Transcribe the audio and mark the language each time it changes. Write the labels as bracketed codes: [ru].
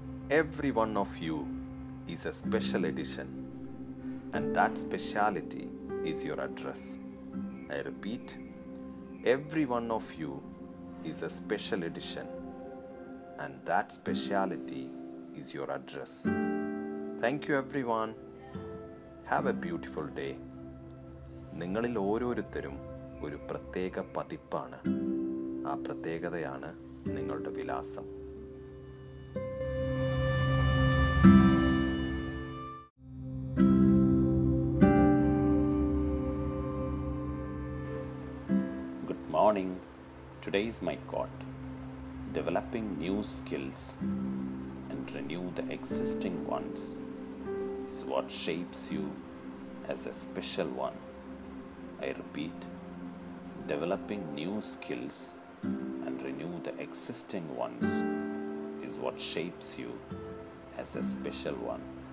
[en] Every one of you is a special edition, and that speciality is your address. I repeat, every one of you is a special edition, and that speciality is your address. Thank you, everyone. Have a beautiful day. [ml] നിങ്ങളിൽ ഓരോരുത്തരും ഒരു പ്രത്യേക പതിപ്പാണ്. ആ പ്രത്യേകതയാണ് നിങ്ങളുടെ വിലാസം. [en] Good morning. Today is my quote. Developing new skills and renew the existing ones is what shapes you as a special one. I repeat, developing new skills and renew the existing ones is what shapes you as a special one.